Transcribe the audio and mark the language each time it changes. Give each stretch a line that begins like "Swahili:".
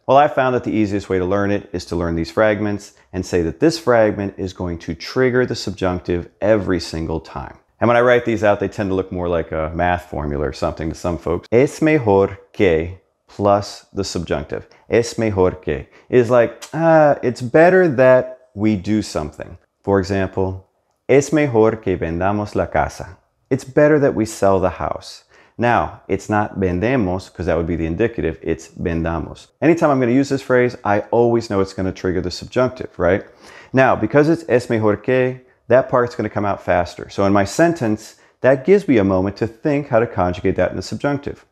English: Well, I found that the easiest way to learn it is to learn these fragments and say that this fragment is going to trigger the subjunctive every single time. And when I write these out, they tend to look more like a math formula or something to some folks.
Spanish: Es mejor que
English: plus the subjunctive.
Spanish: Es mejor que
English: is like, it's better that we do something. For example,
Spanish: es mejor que vendamos la casa.
English: It's better that we sell the house. Now, it's not vendemos, because that would be the indicative. It's vendamos. Anytime I'm going to use this phrase, I always know it's going to trigger the subjunctive, right? Now, because it's
Spanish: es mejor que,
English: that part's going to come out faster. So in my sentence, that gives me a moment to think how to conjugate that in the subjunctive.